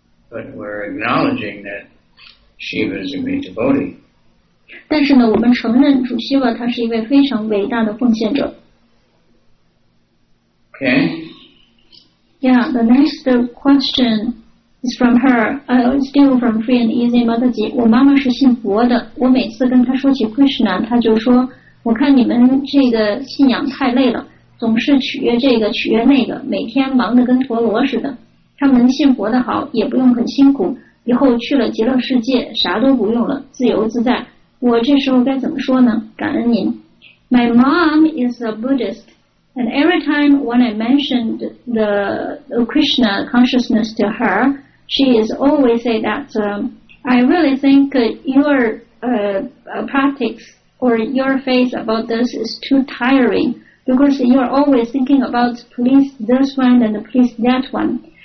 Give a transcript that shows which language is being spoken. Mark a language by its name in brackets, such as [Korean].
[English] But we're acknowledging that Shiva is a great devotee. [Chinese] 但是呢，我们承认主 Shiva 他是一位非常伟大的奉献者。 [English] Okay. Yeah, the next question is from her. Still from Free and Easy Mataji. [Chinese] 我妈妈是信佛的。我每次跟她说起 Krishna， 她就说：“我看你们这个信仰太累了，总是取悦这个取悦那个，每天忙得跟陀螺似的。他们信佛的好，也不用很辛苦，以后去了极乐世界，啥都不用了，自由自在。我这时候该怎么说呢？感恩您。 [English] My mom is a Buddhist. And every time when I mentioned the Krishna consciousness to her, she is always say that, I really think your practice or your faith about this is too tiring because you are always thinking about please this one and please that one.